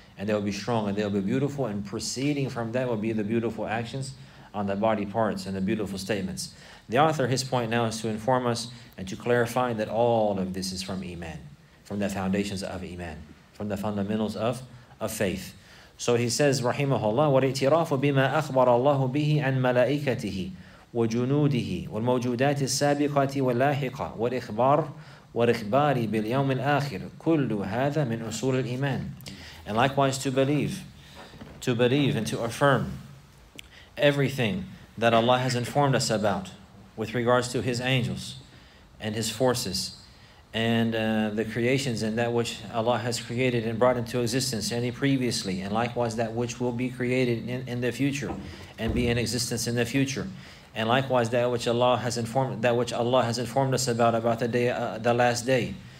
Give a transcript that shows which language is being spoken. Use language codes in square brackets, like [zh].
[en] And they will be strong and they will be beautiful. And proceeding from that will be the beautiful actions on the body parts and the beautiful statements. The author, his point now is to inform us and to clarify that all of this is from Iman, from the foundations of Iman, from the fundamentals of faith. So he says, Rahimahullah, [ar] وَالْإِتِرَافُ بِمَا أَخْبَرَ اللَّهُ بِهِ عَنْ مَلَائِكَتِهِ وَجُنُودِهِ وَالْمَوْجُودَاتِ السَّابِقَةِ وَاللَّاحِقَةِ وَالْإِخْبَارِ بِالْيَوْمِ الْآخِرِ كُلُّ هَذَا مِنْ أُصُولِ الْإِيمَانِ. [en] And likewise to believe and to affirm everything that Allah has informed us about with regards to His angels and His forces and the creations and that which Allah has created and brought into existence any previously, and likewise that which will be created in the future and be in existence in the future, and likewise that which Allah has informed us about the last day.